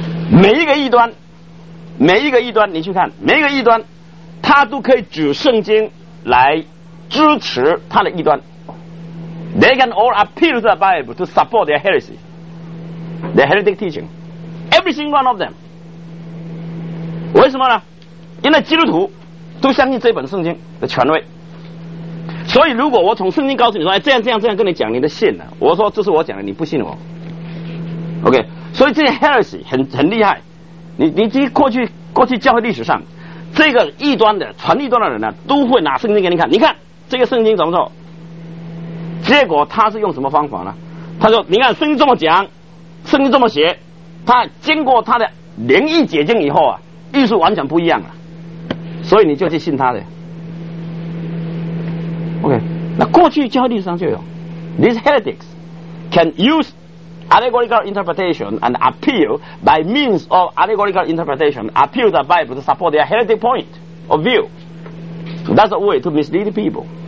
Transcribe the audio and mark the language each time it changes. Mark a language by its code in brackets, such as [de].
[zh] 每一个异端你去看，每一个异端他都可以举圣经来支持他的异端。 [en] They can all appeal to the Bible to support their heresy, their heretic teaching. Every single one of them. [zh] 为什么呢？因为基督徒都相信这本圣经的权威，所以如果我从圣经告诉你说，哎，这样这样这样跟你讲，你的信了，我说这是我讲的，你不信我 ，OK？所以这些 heresy 很厉害，你过去教会历史上，这个异端的传异端的人呢，都会拿圣经给你看，你看这个圣经怎么说？结果他是用什么方法呢？他说，你看圣经这么讲，圣经这么写，他经过他的灵异解经以后啊。艺术完全不一样了，所以你就去信他的。 OK， 那过去教会历史上就有 [en] ，these heretics can use allegorical interpretation and appeal by means of allegorical interpretation appeal the Bible to support their heretic point of view. That's a way to mislead people.